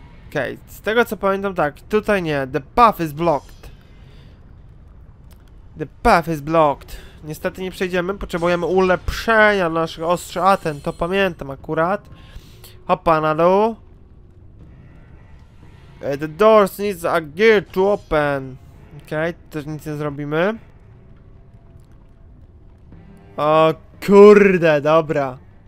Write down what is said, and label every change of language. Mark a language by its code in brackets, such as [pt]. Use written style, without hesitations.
[pl] Okej, z tego co pamiętam, tak, tutaj nie, [en] the path is blocked. The path is blocked. [pl] Niestety nie przejdziemy, potrzebujemy ulepszenia naszych ostrzy Aten, to pamiętam akurat. Hopa na dół. [en] The doors needs a gear to open. [pl] Okej, też nic nie zrobimy. O kurde, dobra.